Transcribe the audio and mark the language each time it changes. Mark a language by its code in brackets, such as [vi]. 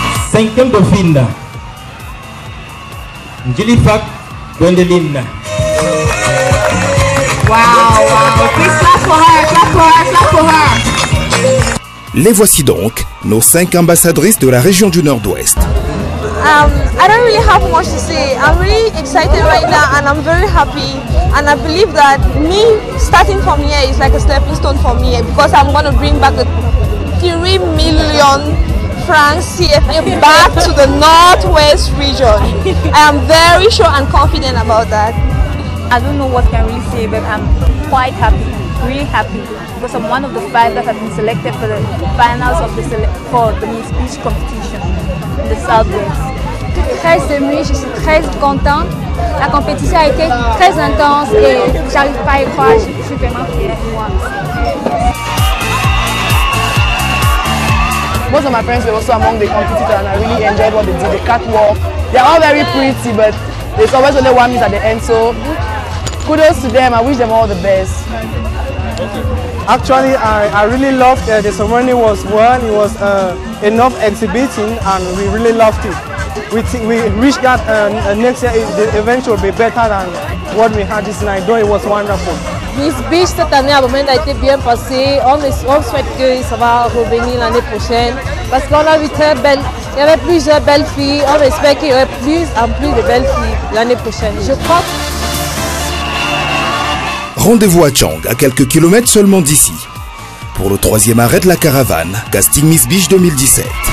[fr] Cinquième dauphine, Njilifak Gwendoline. [en] Wow, please clap for her. [fr] Les voici donc, nos 5 ambassadrices de la région du Nord-Ouest. [en] I don't really have much to say. I'm really excited right now and I'm very happy. And I believe that me starting from here is like a stepping stone for me because I'm going to bring back the 3 million francs CFA back to the Northwest region. I am very sure and confident about that. I don't know what I can really say, but I'm quite happy, really happy, because I'm one of the 5 that have been selected for the finals of the Miss Beach competition in the Southwest. [fr] Très émue, je suis très contente. La compétition a été très intense et j'arrive pas à y croire, je suis vraiment fière de moi. [en] Most of my friends were also among the competitors and I really enjoyed what they did, the catwalk. They are all very pretty but there's always only one miss at the end, so kudos to them, I wish them all the best. Actually, I really loved the ceremony was well, it was enough exhibition and we really loved it. We wish that next year the event will be better than what we had this night, though it was wonderful. [fr] Miss Beach cette année à Bamenda a été bien passée. On souhaite que ça va revenir l'année prochaine parce qu'on a vu très belle. Il y avait plusieurs belles filles. On espère qu'il y aura plus en plus de belles filles l'année prochaine. Je crois. Rendez-vous à Chang, à quelques kilomètres seulement d'ici. Pour le troisième arrêt de la caravane, Casting Miss Beach 2017.